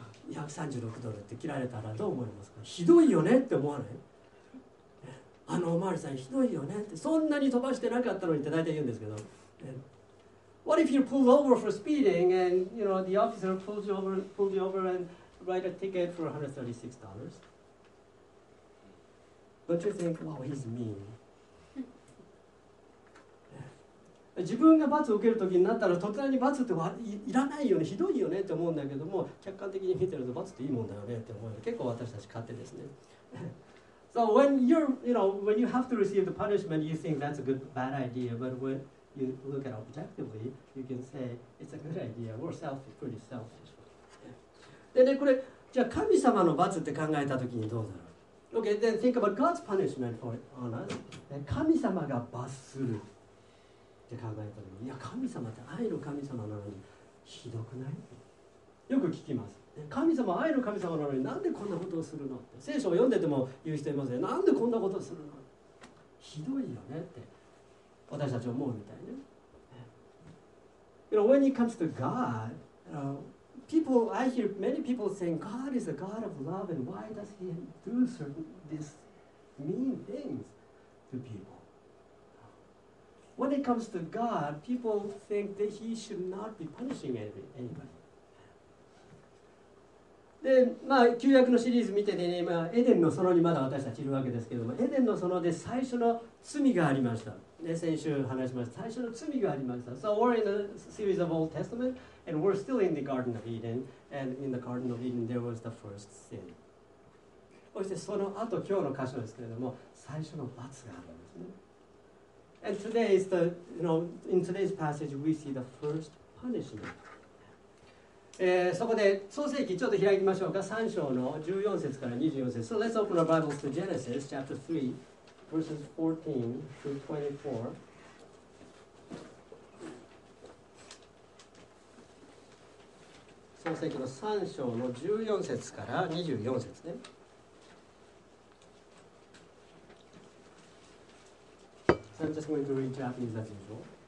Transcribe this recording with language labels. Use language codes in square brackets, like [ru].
[ja] $136ドルって切られたらどう思いますか？ひどいよねって思わない？あのお巡りさんひどいよねって。そんなに飛ばしてなかったのにって大体言うんですけど。 [en] What if you're pulled over for speeding and you know, the officer pulled you over and write a ticket for $136? Don't you think, wow, he's mean? [ja] 自分が罰を受けるときになったら突然に罰っていらないよね、ひどいよねって思うんだけども、客観的に見てると罰っていいもんだよねって思う。結構私たち勝手ですね。 [en] So when you have to receive the punishment, you think that's a good, bad idea, but whenYou look at objectively, you can say it's a good idea. We're selfish, pretty selfish. [ja] でね、これじゃあ神様の罰って考えたときにどうだろう。 [en] Okay, then think about God's punishment for on us. [ja] 神様が罰するって考えたとき、いや神様って愛の神様なのにひどくない？よく聞きます。神様、愛の神様なのになんでこんなことをするのって。聖書を読んでても言う人いますよ。なんでこんなことをするの？ひどいよねって。私たち思うみたいね。 [en] You know, when it comes to God, you know, people, I hear many people saying, God is a God of love, and why does He do certain these mean things to people? When it comes to God, people think that He should not be punishing anybody. [ja] で、まあ、旧約のシリーズ見てね、今、エデンの園にまだ私たちいるわけですけども、エデンの園で最初の罪がありました。ね、先週話しました。最初の罪がありました。 [en] So we're in a series of Old Testament, and we're still in the Garden of Eden. And in the Garden of Eden, there was the first sin. [ja] そしてその後、今日の箇所ですけれども、最初の罰があるんですね。 [en] And today is the, you know, in today's passage, we see the first punishment. [ja] そこで創世記ちょっと開きましょうか。 3章の14節から24節。 [en] So let's open our Bibles to Genesis chapter 3. Verses 14 through 24. [ja] 創世記の3章の14節から24節ね。 [en] So I'm just going to read Japanese as usual.